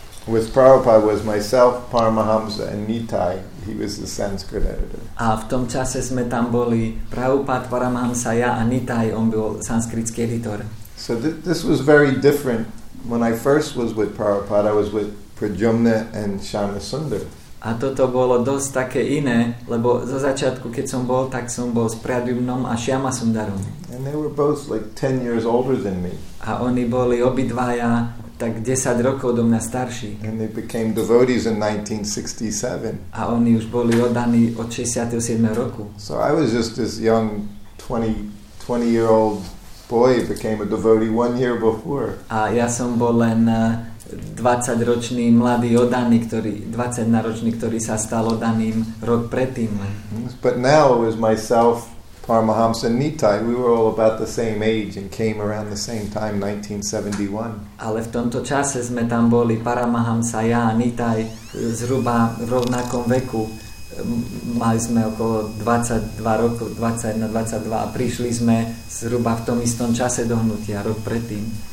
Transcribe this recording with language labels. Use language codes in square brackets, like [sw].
[en] With Prabhupada was myself, Paramahamsa and Nitai. He was the Sanskrit editor. [sk] A v tom čase sme tam boli Prabhupada, Paramahamsa, ja a Nitai. On bol sanskritský editor. [en] So this was very different. When I first was with Prabhupada, I was with Prajumna and Shyama Sundar. [sk] A toto bolo dosť také iné, lebo zo začiatku, keď som bol, tak som bol s Prajumnom a Shyama Sundarom. [en] And they were both like 10 years older than me. [sk] A oni boli obidvaja tak 10 rokov do mňa starší. [en] And they became devotees in 1967. [sk] A oni už boli oddaní od 67. roku. [en] So I was just this young 20-year-old boy became a devotee 1 year before. [sk] A ja som bol len 20-ročný mladý oddaný, ktorý 20-ročný, ktorý sa stal oddaným rok predtým. [en] But now it was myself, Paramahamsa and Nitai, we were all about the same age and came around the same time, 1971. [sk] Ale v tomto čase sme tam boli Paramahamsa, ja a Nitai zhruba v rovnakom veku. Mali sme okolo 22 rokov, 21-22 a prišli sme zhruba v tom istom čase do hnutia, rok predtým.